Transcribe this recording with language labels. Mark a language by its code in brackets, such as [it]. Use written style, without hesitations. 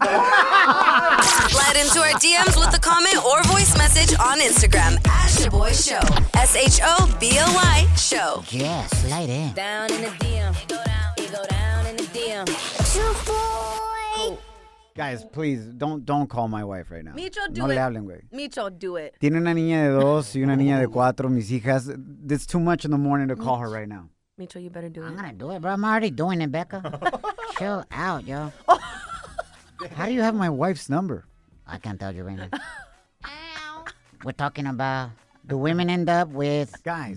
[en] Slide into our DMs with a comment or voice message on Instagram at Shaboy Show. S-H-O-B-O-Y Show. Yeah, slide in. Down in the DM. You go down in the DM. Shaboy. Guys, please, don't call my wife right now. Micho, do it. [es] Tiene una niña de dos y una niña de cuatro, mis hijas. [en] It's too much in the morning to call her right now. Micho, you better do it. I'm going to do it, bro. I'm already doing it, Becca. Chill out, yo. How do you have my wife's number? I can't tell you, Randy. We're talking about the women end up with guys,